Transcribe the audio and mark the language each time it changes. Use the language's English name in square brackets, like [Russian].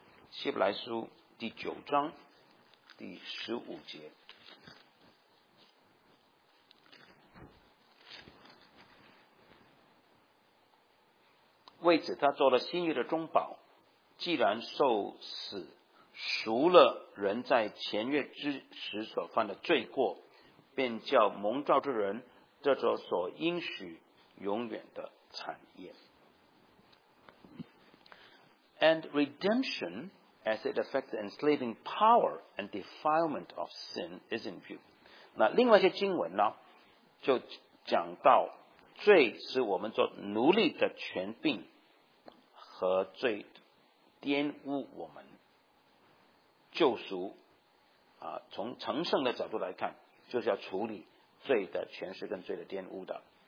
[Chinese] 希伯来书第九章第十五节，为此他做了新约的中保，既然受死赎了人在前月之时所犯的罪过，便叫蒙召之人得着所应许永远的产业。 [English] And redemption as it affects the enslaving power and defilement of sin is in view。 [Chinese] 那另外一些经文呢，就讲到罪使我们做奴隶的权柄和罪玷污我们，救赎啊，从成圣的角度来看，就是要处理罪的权势跟罪的玷污的。